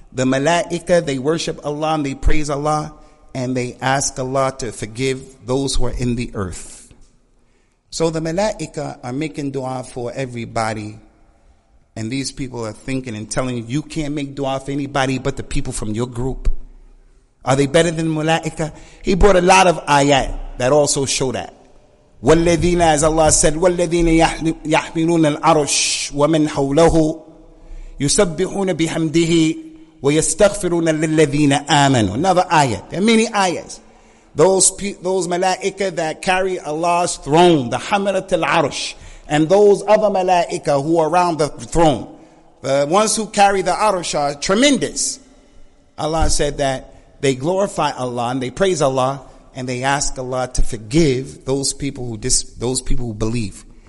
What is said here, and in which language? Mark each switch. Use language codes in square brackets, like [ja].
[en] The Malaika, they worship Allah and they praise Allah, and they ask Allah to forgive those who are in the earth. So the Malaika are making dua for everybody. And these people are thinking and telling you, you can't make dua for anybody but the people from your group. Are they better than Malaika? He brought a lot of ayat that also show that. [ar] وَالَّذِينَ, [en] as Allah said, [ar] وَالَّذِينَ يَحْمِلُونَ الْعَرُشِ وَمَنْ حَوْلَهُ يُسَبِّحُونَ بِحَمْدِهِ وَيَسْتَغْفِرُونَ لِلَّذِينَ آمَنُوا. [en] Another ayah. There are many ayahs. Those malaika that carry Allah's throne, the hamilat al-arsh, and those other malaika who are around the throne, the ones who carry the arsh are tremendous. Allah said that they glorify Allah and they praise Allah and they ask Allah to forgive those people who believe.